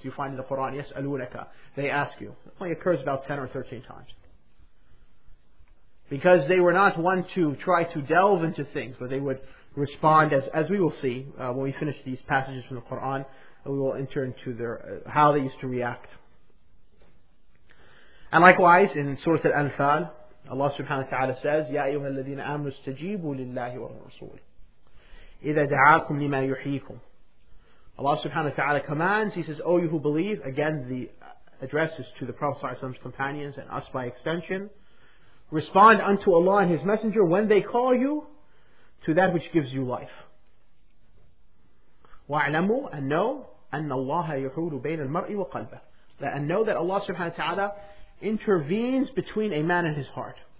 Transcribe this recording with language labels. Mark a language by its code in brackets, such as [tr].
[en] You find in the Quran, [ar] يَسْأَلُونَكَ, [en] they ask you. It only occurs about 10 or 13 times. Because they were not one to try to delve into things, but they would respond, as we will see when we finish these passages from the Quran, and we will enter into their how they used to react. And likewise, in Surah Al-Anfal, Allah subhanahu wa ta'ala says, [ar] يَا أَيُّهَا الَّذِينَ آمَنُوا اسْتَجِيبُوا لِلَّهِ وَالرَّسُولِ إِذَا دَعَاكُمْ لِمَا يُحْيِيكُمْ. [en] Allah subhanahu wa ta'ala commands, He says, O you who believe, again the address is to the Prophet's companions and us by extension, respond unto Allah and His Messenger when they call you to that which gives you life. [ar] وَاعْلَمُوا [en] and know [ar] أَنَّ اللَّهَ يَحُولُ بَيْنَ الْمَرْءِ وَقَلْبَهِ, [en] and know that Allah subhanahu wa ta'ala intervenes between a man and his heart.